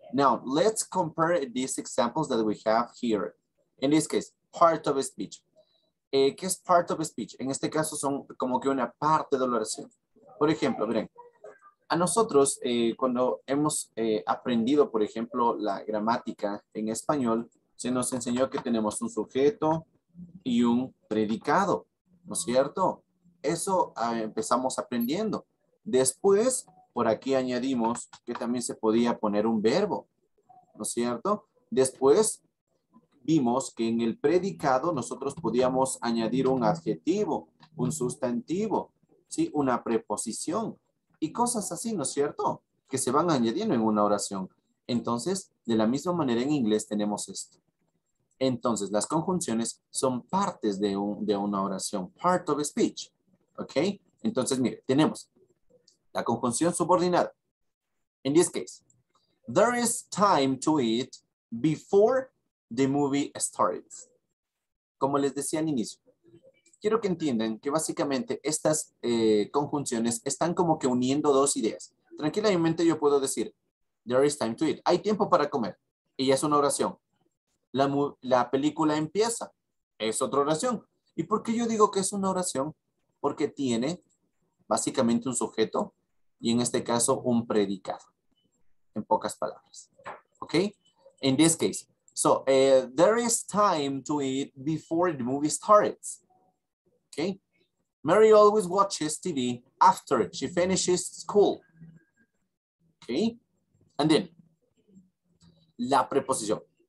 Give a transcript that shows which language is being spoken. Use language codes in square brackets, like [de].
[en] Now, let's compare these examples that we have here. In this case, part of a speech. [es] ¿Qué es [en] part of a speech? [es] En este caso son como que una parte de la oración. Por ejemplo, miren, a nosotros cuando hemos aprendido, por ejemplo, la gramática en español, se nos enseñó que tenemos un sujeto y un predicado, ¿no es cierto? Eso empezamos aprendiendo. Después, por aquí añadimos que también se podía poner un verbo, ¿no es cierto? Después vimos que en el predicado nosotros podíamos añadir un adjetivo, un sustantivo, ¿sí? Una preposición y cosas así, ¿no es cierto? Que se van añadiendo en una oración. Entonces, de la misma manera en inglés tenemos esto. Entonces, las conjunciones son partes de, de una oración, [en] part of a speech, [es] ¿ok? Entonces, mire, tenemos la conjunción subordinada. [en] In this case, there is time to eat before the movie starts. [es] Como les decía al inicio, quiero que entiendan que básicamente estas conjunciones están como que uniendo dos ideas. Tranquilamente yo puedo decir, [en] there is time to eat. [es] Hay tiempo para comer. Y es una oración. La película empieza. Es otra oración. ¿Y por qué yo digo que es una oración? Porque tiene básicamente un sujeto. Y en este caso, un predicado, en pocas palabras. [en] ¿Ok? In this case. So, there is time to eat before the movie starts. ¿Ok? Mary always watches TV after she finishes school. ¿Ok? And then, [es] la preposición.